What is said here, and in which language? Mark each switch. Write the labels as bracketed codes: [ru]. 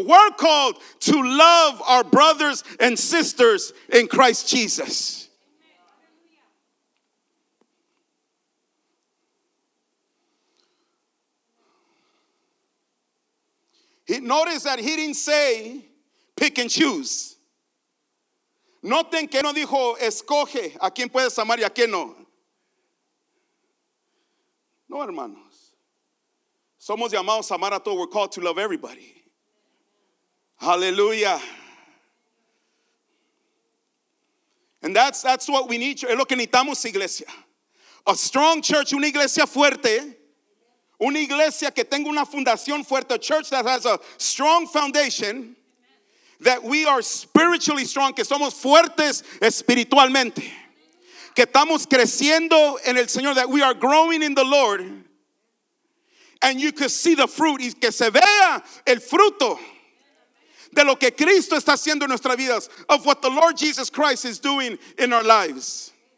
[en] We're called to love our brothers and sisters in Christ Jesus. Notice that he didn't say pick and choose. [es] Noten que no dijo escoge a quien puedes amar y a quien no. No, hermanos. Somos llamados a amar a todos. [en] We're called to love everybody. Hallelujah. And that's what we need. [es] Es lo que necesitamos, iglesia. [en] A strong church, [es] una iglesia fuerte. Una iglesia que tenga una fundación fuerte. [en] A church that has a strong foundation. That we are spiritually strong. [es] Que somos fuertes espiritualmente. Que estamos creciendo en el Señor, [en] that we are growing in the Lord, and you can see the fruit, [es] y que se vea el fruto de lo que Cristo está haciendo en nuestras vidas, [en] of what the Lord Jesus Christ is doing in our lives.